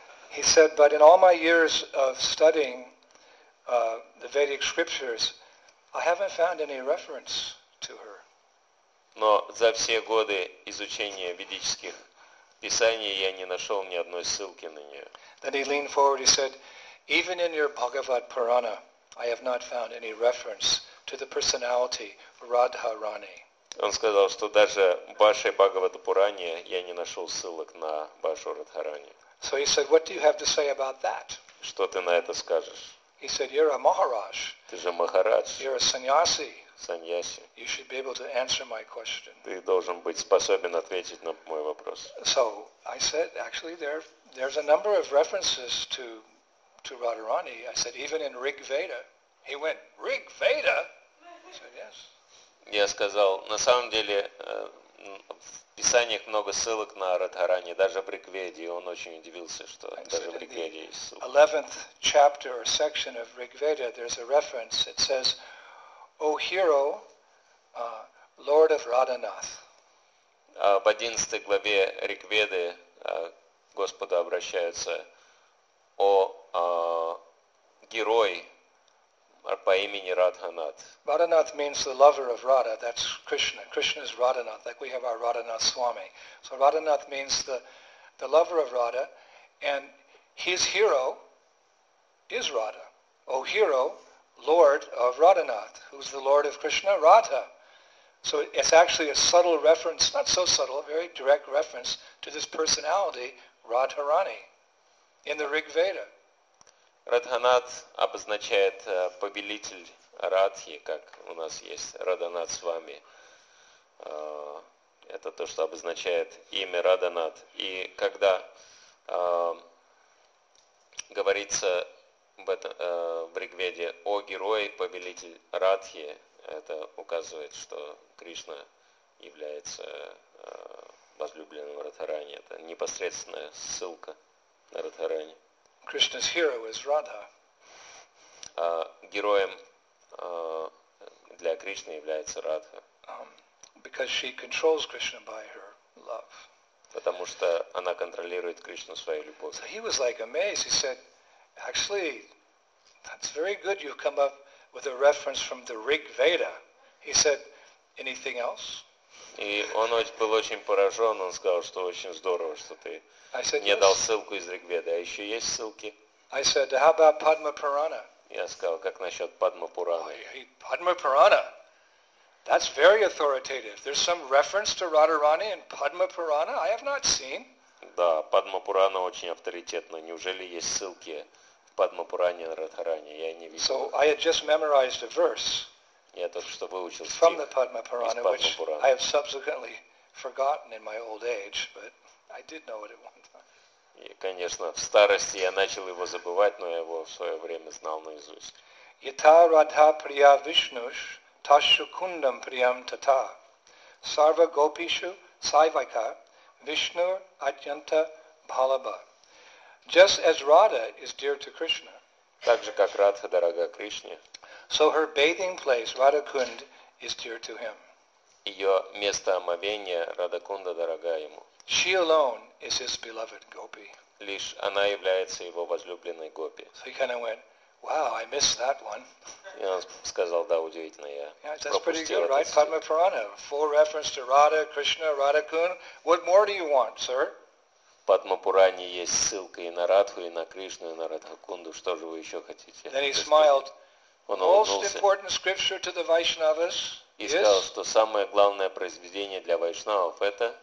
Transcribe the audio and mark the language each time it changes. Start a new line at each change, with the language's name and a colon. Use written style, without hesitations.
English: He said, but in all my years of studying the Vedic scriptures, I haven't found any reference to her.
Russian: Но за все годы изучения ведических писаний я не нашел ни одной ссылки на нее.
English: Then he leaned forward, he said, even in your Bhagavad Purana, I have not found any reference to the personality Radharani.
Russian: Он сказал, что даже в вашей Бхагавад Пуране я не нашел ссылок на вашу Радхарани.
English: So he said, what do you have to say about that?
Russian: Что ты на это скажешь?
English: He said, you're a Maharaj.
Russian: Ты же Махарадж.
English: You're a Sannyasi. Sannyasi. You should be able to answer my question.
Russian: Ты должен быть способен ответить на мой вопрос.
English: So I said, actually, there's a number of references to Radharani. I said, even in Rig Veda. He went, Rig Veda? I said, yes.
Russian: Я сказал, на самом деле, в писаниях много ссылок на Радхарани, даже в Ригведе. Он очень удивился, что даже в Ригведе есть ссылка.
English: In the 11th chapter or section of Rigveda, there's a reference. It says, O hero, Lord of Radhanath.
Russian: В 11 главе Ригведы Господу обращаются, о герой по имени Радханат.
English: Radhanath means the lover of Radha, that's Krishna. Krishna is Radhanath, like we have our Radhanath Swami. So Radhanath means the lover of Radha, and his hero is Radha. O hero, Lord of Radhanath, who's the Lord of Krishna? Radha. So it's actually a subtle reference, not so subtle, a very direct reference to this personality, Radharani, in the Rig Veda.
Russian: Радханат обозначает повелитель Радхи, как у нас есть Радханат с вами. Это то, что обозначает имя Радханат. И когда говорится в Ригведе о герое, повелитель Радхи, это указывает, что Кришна является возлюбленным Радхарани. Это непосредственная ссылка на Радхарани.
English: Krishna's hero is Radha.
Russian: Героем для Кришны является Радха.
English: Because she controls Krishna by her love.
Russian: Потому что она контролирует Кришну своей любовью.
English: So he was like amazed. He said, actually, that's very good. You've come up with a reference from the Rig Veda. He said, anything else?
Russian: И он был очень поражен, он сказал, что очень здорово, что ты мне дал ссылку из Ригведы. А еще есть ссылки?
English: I said, how about Padma Purana?
Russian: Я сказал, как насчет Падма Пурана?
English: Padma Purana, that's very authoritative. There's some reference to Radharani in Padma Purana I have not seen.
Russian: Да, Падма Пурана очень авторитетна. Неужели есть ссылки в Падма Пуране на Радхарани? Я не видел.
English: So I had just memorized a verse.
Russian: Я только что выучил стих
English: from the Padma Purana, which I have subsequently forgotten in my old age, but I did know it at one time.
Russian: И, конечно, в старости я начал его забывать, но я его в свое время знал наизусть.
Sanskrit: Yata Radha Priya Vishnush Tashukundam Priyam Tata Sarva Gopishu Saivaika Vishnur Adyanta Bhalaba.
English: Just as Radha is dear to Krishna,
Russian: так же, как Радха дорога Кришне,
English: so her bathing place, Radhakund, is dear to him.
Russian: Ее место омовения, Радхакунда, дорога ему.
English: She alone is his beloved gopi.
Russian: Лишь она является его возлюбленной гопи.
English: So he kind of went, wow, I missed that one.
Russian: И он сказал, да, удивительно, я пропустил.
English: That's pretty good, right? Padma Purana, full reference to Radha, Krishna, Radhakund. What more do you want, sir?
Russian: В Падмапуране есть ссылка и на Радху, и на Кришну, и на Радхакунду. Что же вы еще хотите?
English: Then he smiled.
Russian: Он улыбнулся и сказал, что самое главное произведение для вайшнавов это